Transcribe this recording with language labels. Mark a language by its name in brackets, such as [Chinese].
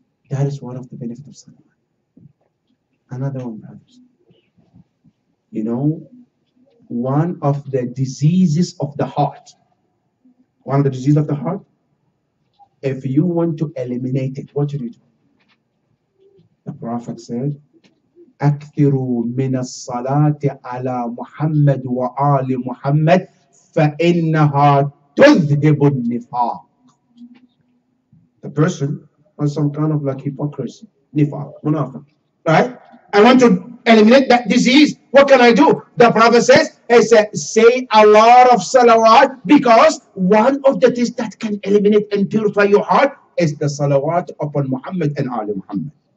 [English] That is one of the benefits of salah. Another one, brothers. You know, one of the diseases of the heart, one of the diseases of the heart, if you want to eliminate it, what should you do? The Prophet said, [Arabic] أكثروا من الصلاة على محمد وآل محمد فإنها تذهب النفاق. [English] The person has some kind of like hypocrisy, nifaq, munafiq, right? I want to eliminate that disease. What can I do? The Prophet says, he said, say a lot of salawat, because one of the things that can eliminate and purify your heart is the salawat upon Muhammad and Ali Muhammad.